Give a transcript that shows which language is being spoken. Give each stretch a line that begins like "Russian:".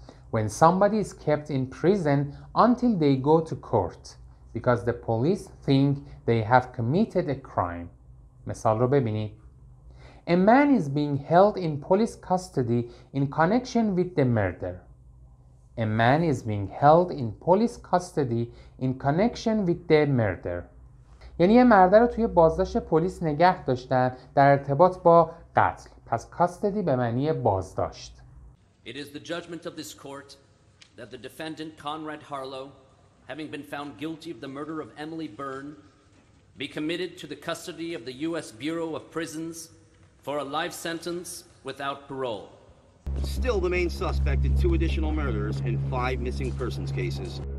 English: When somebody is kept in prison until they go to court because the police think they have committed a crime.
Persian: مثال رو ببینید.
English: A man is being held in police custody in connection with the murder. A man is being held in police custody in connection with the murder.
Persian: یعنی یه مرد رو توی بازداشت پلیس نگه داشتن در ارتباط با قتل. پس custody به معنی بازداشت.
English: It is the judgment of this court that the defendant Conrad Harlow, having been found guilty of the murder of Emily Byrne, be committed to the custody of the US Bureau of Prisons for a life sentence without parole. Still the main suspect in two additional murders and five missing persons cases.